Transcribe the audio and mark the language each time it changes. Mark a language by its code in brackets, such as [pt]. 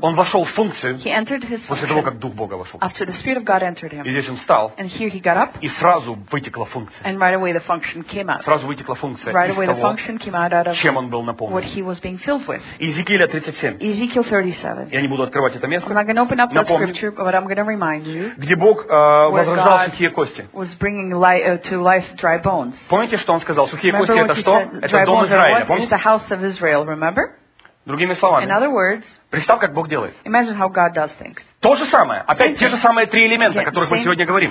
[ru] он вошел в функцию [en] he entered his function [ru] после того, как Дух Бога вошел. [en] After the Spirit of God entered him. [ru] И здесь он встал, [en] and here he got up, [ru] и сразу вытекла функция. [en] And right away the function came out. [ru] Сразу вытекла функция [en] right [ru] из [en] away [ru] того, [en] the function came out out of [ru] чем он был наполнен. [en] What he was being filled with. [ru] Иезекииля 37. [en] Ezekiel 37. [ru] Я не буду открывать это место. [en] I'm not going to open up the scripture, but I'm going to remind you, [ru] где Бог возрождал сухие кости. [en] Was bringing life, to life dry bones. [ru] Помните, что он сказал? Сухие [en] remember [ru] кости [en] what [ru] это что? Это дом Израиля. Помните? [en] House of Israel, remember? [ru] Другими словами. [en] In other words, [ru] представь, как Бог делает. [en] Imagine how God does things. [ru] То же самое. Опять те же самые три элемента, о которых мы сегодня говорим.